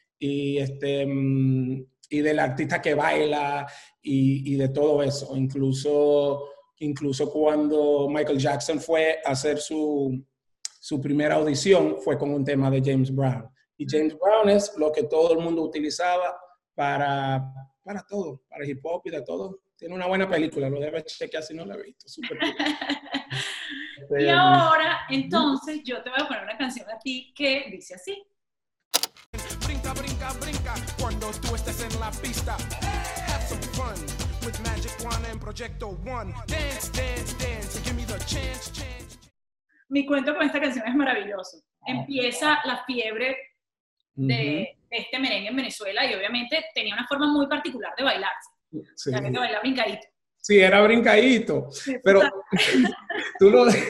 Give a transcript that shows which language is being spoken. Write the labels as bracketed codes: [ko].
[es] Y este, y del artista que baila y de todo eso, incluso cuando Michael Jackson fue a hacer su primera audición, fue con un tema de James Brown, y James Brown es lo que todo el mundo utilizaba para todo, para hip hop y de todo. Tiene una buena película, lo debes chequear si no la he visto. [en] Super cool. [es] Y ahora entonces yo te voy a poner una canción a ti que dice así: brinca, brinca, brinca cuando tú estés en la pista. [en] Have some fun with Magic Juan and Proyecto One. Dance, dance, dance, give me the chance, chance. [es] Mi cuento con esta canción es maravilloso. Empieza la fiebre de este merengue en Venezuela y obviamente tenía una forma muy particular de bailar. Sí. También de bailar brincadito. Sí, era brincadito. Pero tú lo...